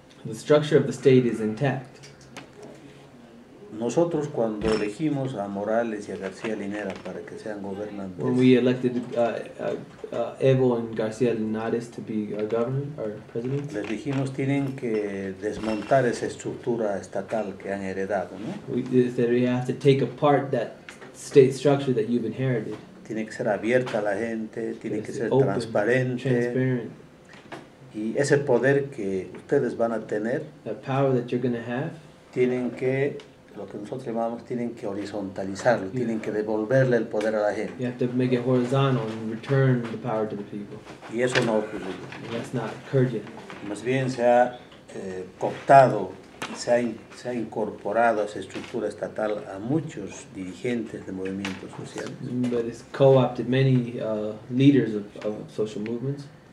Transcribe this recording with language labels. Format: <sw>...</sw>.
<en>The structure of the state is intact.</en> <es>Nosotros cuando elegimos a Morales y a García Linera para que sean gobernantes,</es> <en>when we elected Evo and García Linares to be our governor, our president,</en> <es>les dijimos tienen que desmontar esa estructura estatal que han heredado, ¿no?</es> <en>We have to take apart that state structure that you've inherited.</en> <es>Tiene que ser abierta a la gente, tiene que ser transparente.</es> <en>Transparent.</en> <es>Y ese poder que ustedes van a tener,</es> <en>that power that you're going to have,</en> <es>tienen que lo que nosotros llamamos tienen que horizontalizarlo, yeah, tienen que devolverle el poder a la gente.</es> <en>You have to make it horizontal and return the power to the people.</en> <es>Y eso no ocurrió.</es> <en>And that's not occurred yet.</en> <es>Más bien se ha cooptado, se ha incorporado a esa estructura estatal a muchos dirigentes de movimientos sociales.</es> <en>But it's co-opted many leaders of social movements.</en>